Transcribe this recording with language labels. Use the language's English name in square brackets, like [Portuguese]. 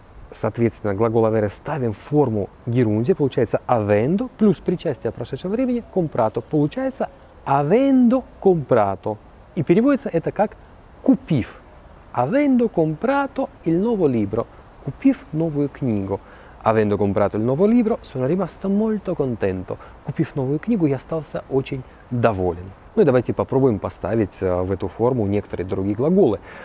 [Russian] Соответственно, глагол «avere» ставим в форму «gerundia». Получается «avendo» плюс причастие прошедшего времени «comprato». Получается «avendo comprato». И переводится это как «купив». [Italian] «Avendo comprato il nuovo libro». [Russian] «Купив новую книгу». [Italian] Avendo comprato il nuovo libro, sono rimasto molto contento. [Russian] Купив новую книгу, я остался очень доволен. Ну и давайте попробуем поставить в эту форму некоторые другие глаголы.